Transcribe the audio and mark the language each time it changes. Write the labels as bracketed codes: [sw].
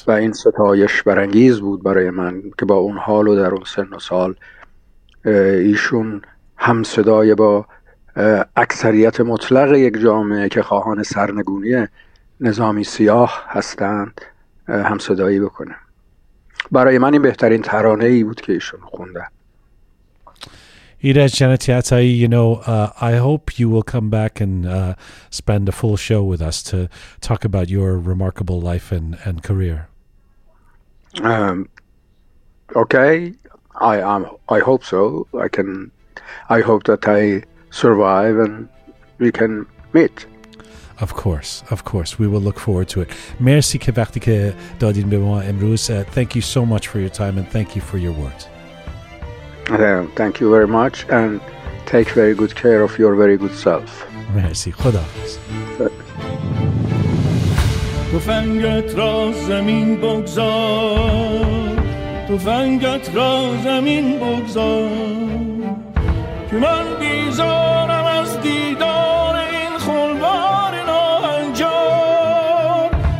[fa] و این ستایش برانگیز بود برای من که با اون حال و در اون سن و سال ایشون هم صدای با اکثریت مطلق یک جامعه که خواهان سرنگونی نظامی سیاه هستند هم صدایی بکنه. برای من این بهترین ترانه ای بود که ایشون خوندن. [en] Iraj Janati Atai, you know, I hope you will come back and spend a full show with us to talk about your remarkable life and career. Okay, I hope so. I hope that I survive and we can meet. Of course, of course. We will look forward to it. [fa] Merci ke vakti ke dadin be ma emruz. [en] Thank you so much for your time and thank you for your words. Thank you very much and take very good care of your very good self. [fa] Merci, خداحافظ. تفنگت را زمین بگذار، تفنگت را زمین بگذار، که من بیزارم از دیدار این خلوار ناهنجار.